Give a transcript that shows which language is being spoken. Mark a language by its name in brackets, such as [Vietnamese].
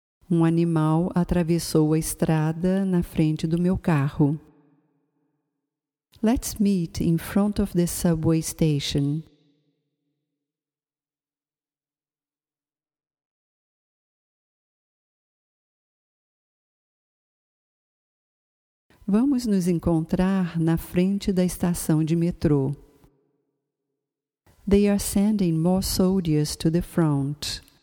[Portuguese] Um animal atravessou a estrada na frente do meu carro. [English] Let's meet in front of the subway station. [Portuguese] Vamos nos encontrar na frente da estação de metrô. [English] They are sending more soldiers to the front.